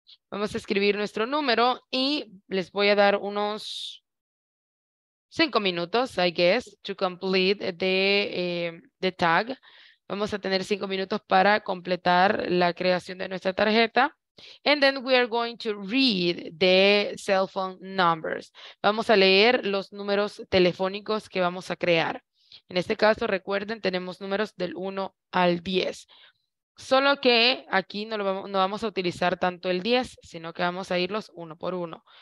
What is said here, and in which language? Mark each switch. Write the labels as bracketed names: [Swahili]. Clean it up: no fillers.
[Spanish] Vamos a escribir nuestro número y les voy a dar unos 5 minutos, [English] I guess, to complete the tag. [Spanish] Vamos a tener 5 minutos para completar la creación de nuestra tarjeta. [English] And then we are going to read the cell phone numbers. [Spanish] Vamos a leer los números telefónicos que vamos a crear. En este caso, recuerden, tenemos números del 1 al 10. Solo que aquí no vamos a utilizar tanto el 10, sino que vamos a irlos uno por uno.